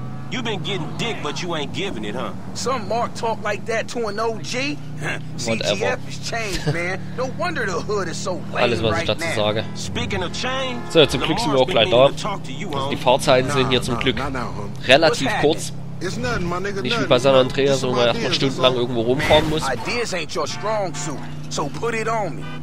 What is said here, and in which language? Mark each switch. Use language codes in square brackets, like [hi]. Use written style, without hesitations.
[en] You've been getting dick, but you ain't giving it, huh? Some mark talk like that to an OG? Whatever. CGF has changed, man. No wonder the hood is so lame right now. Speaking of change, so, [de] zum Glück sind wir auch gleich da. Also die Fahrzeiten sind hier zum Glück relativ kurz. Nicht wie bei San Andreas, wo man erstmal stundenlang irgendwo rumfahren muss. [en] Ideas ain't your strong suit, so put it on me.